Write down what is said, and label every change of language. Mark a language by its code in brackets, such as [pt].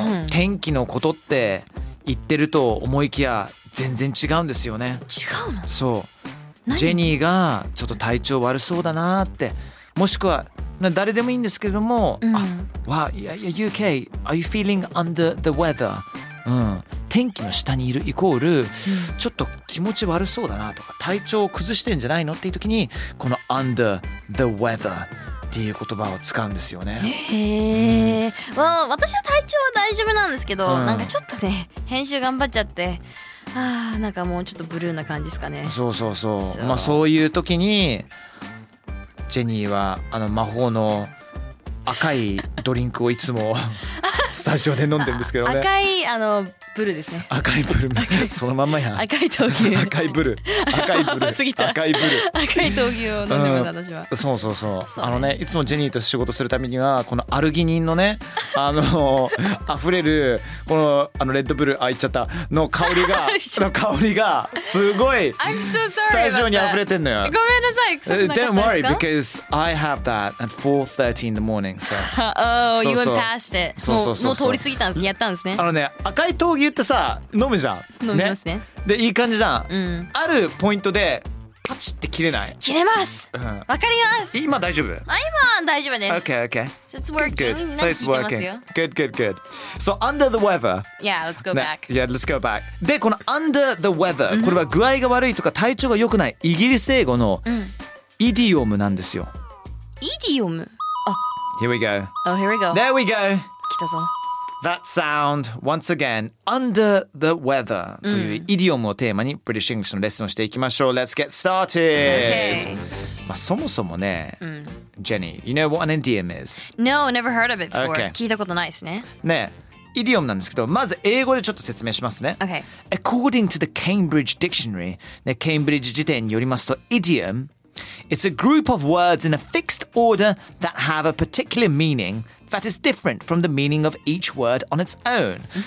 [ja] 天気のことって言ってると思いきや全然違うんですよね。違うの？そう。ジェニーがちょっと体調悪そうだなって。もしくは誰でもいいんですけれども、うん、 [en] わあ、yeah, UK, are you feeling under the weather? [ja] うん、天気の下にいるイコール、うん、ちょっと気持ち悪そうだなとか体調を崩してんじゃないのっていう時にこの under the weather っていう言葉を使うんですよね。へえ、うん、私は体調は大丈夫なんですけど、うん、なんかちょっとね編集頑張っちゃって、なんかもうちょっとブルーな感じですかね。そうそうそう、まあそういう時にジェニーはあの魔法の赤いドリンクをいつもスタジオで飲んでるんですけどね。赤いあのブルですね。赤いブル、そのまんまやん。赤い闘牛。赤いブル。赤いブル。過ぎた。赤いブル。赤い闘牛を飲んでます、私は。そうそうそう。あのね、いつもジェニーと仕事するためにはこのアルギニンのね、あの溢れるこのあのレッドブル、あ、いっちゃったの香りが、その香りがすごい。 [en] I'm so sorry。 [ja] スタジオに溢れてんのよ。ごめんなさい。 [en] Don't worry because I have that at 4:30 in the morning. So. Oh, you went past it. [ja] そうそう。もう通り過ぎたんですね、やったんですね。あのね、赤い闘牛ってさ、飲むじゃん。飲みますね。ね、でいい感じじゃん、うん。あるポイントでパチって切れない。切れます。わ、うん、かります。今大丈夫？あ、今大丈夫です。 [en] Okay, okay. So it's working. Good, good. So it's working. Good, good, good. So under the weather. Yeah, let's go back.、 [ja] ね、 [en] yeah, let's go back. [ja] でこの under the weather、うん、これは具合が悪いとか体調が良くないイギリス英語のイディオムなんですよ。イディオム。あ、 [en] here we go. Oh, here we go. There we go. [ja] 来たぞ。 [en] That sound, once again, [ja] under the weather、うん、というイディオムをテーマに British English のレッスンをしていきましょう。 [en] Let's get started!、 Okay. まあ、そもそもね、うん、Jenny, you know what an idiom is? No, never heard of it before.、Okay. [ja] 聞いたことないですね。ね、イディオムなんですけど、まず英語でちょっと説明しますね。 [en] Okay. According to the Cambridge Dictionary, [ja] ね、Cambridge 辞典によりますと、 [en] idiom, it's a group of words in a fixed order that have a particular meaning. That is different from the meaning of each word on its own.